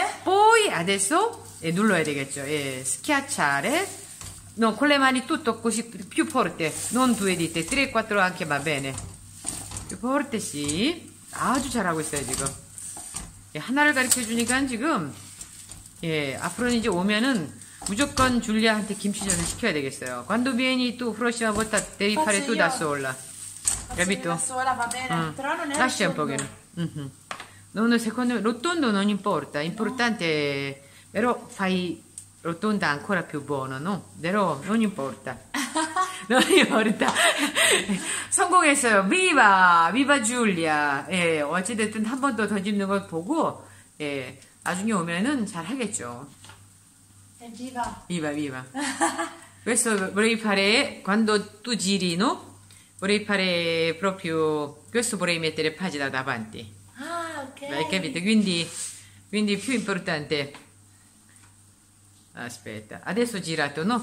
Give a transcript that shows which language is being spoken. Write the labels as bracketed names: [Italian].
[Italian] Poi adesso [Korean] 예, 눌러야 되겠죠. 예, [Italian] schiacciare. No, con le mani tutto così più forte. Non due dita, tre, quattro anche va bene. Più forte, sì. [Korean] 아주 잘하고 있어요 지금. 예, 하나를 가르쳐 주니까 지금 예, 앞으로 이제 오면은 무조건 줄리아한테 김치전을 시켜야 되겠어요. [Italian] Quando vieni tu, prossima volta devi fare tu da sola. Capito? Lascia un pochino. Non, secondo me, rotondo non importa. Importante è. No. Però fai rotonda ancora più buono, no? Però non importa. Non importa. [Korean] 성공했어요. [Italian] Viva Giulia! [Korean] 예, 어찌됐든 한 번 더 던지는 걸 보고, 예, 나중에 오면은 잘 하겠죠. [Italian] Viva! Questo vorrei fare quando tu giri, no? Vorrei fare proprio questo, vorrei mettere pagina davanti. Ah, ok. Hai capito? Quindi più importante. Aspetta, adesso girato, no?